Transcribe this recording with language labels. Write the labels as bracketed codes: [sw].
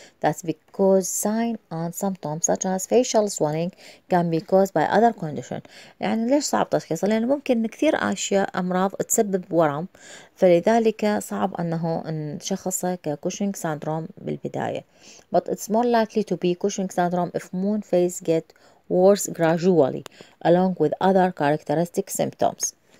[en] That's because sign and symptoms such as facial swelling can be caused by other condition. [ar] يعني ليش صعب تشخيصه؟ لأن ممكن كثير أشياء أمراض تسبب ورم، فلذلك صعب أنه نشخصه كCushing syndrome بالبداية. [en] But it's more likely to be Cushing syndrome if moon face get worse gradually, along with other characteristic symptoms.